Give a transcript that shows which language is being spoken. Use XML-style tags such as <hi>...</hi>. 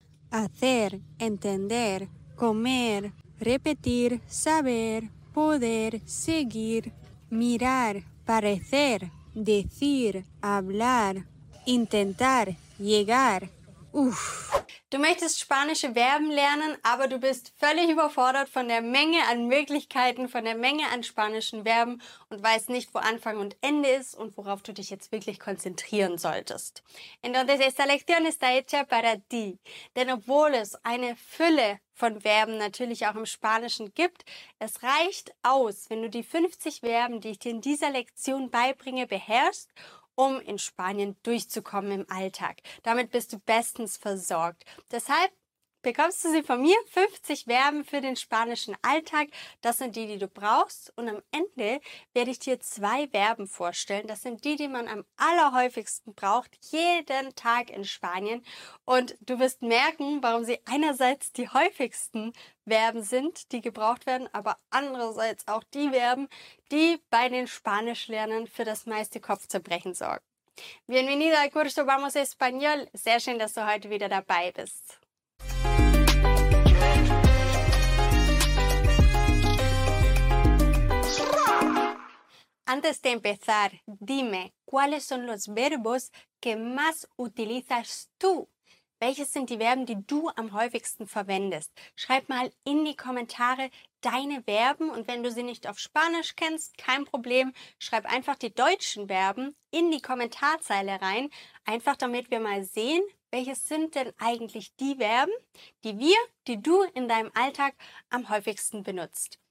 <es>Hacer, entender, comer, repetir, saber, poder, seguir, mirar, parecer, decir, hablar, intentar, llegar. ¡Uf!</es> <de>Du möchtest spanische Verben lernen, aber du bist völlig überfordert von der Menge an Möglichkeiten, von der Menge an spanischen Verben und weißt nicht, wo Anfang und Ende ist und worauf du dich jetzt wirklich konzentrieren solltest.</de> <es>Entonces, esta lección está hecha para ti.</es> <de>Denn obwohl es eine Fülle von Verben natürlich auch im Spanischen gibt, es reicht aus, wenn du die 50 Verben, die ich dir in dieser Lektion beibringe, beherrschst, um in Spanien durchzukommen im Alltag. Damit bist du bestens versorgt. Deshalb bekommst du sie von mir, 50 Verben für den spanischen Alltag. Das sind die, die du brauchst. Und am Ende werde ich dir zwei Verben vorstellen. Das sind die, die man am allerhäufigsten braucht, jeden Tag in Spanien. Und du wirst merken, warum sie einerseits die häufigsten Verben sind, die gebraucht werden, aber andererseits auch die Verben, die bei den Spanischlernern für das meiste Kopfzerbrechen sorgen.</de> <es>Bienvenido al curso Vamos Español.</es> <de>Sehr schön, dass du heute wieder dabei bist.</de> <es>Antes de empezar, dime, ¿cuáles son los verbos que más utilizas tú?</es> <de>Welches sind die Verben, die du am häufigsten verwendest? Schreib mal in die Kommentare deine Verben und wenn du sie nicht auf Spanisch kennst, kein Problem, schreib einfach die deutschen Verben in die Kommentarzeile rein, einfach damit wir mal sehen, welches sind denn eigentlich die Verben, die du in deinem Alltag am häufigsten benutzt.</de>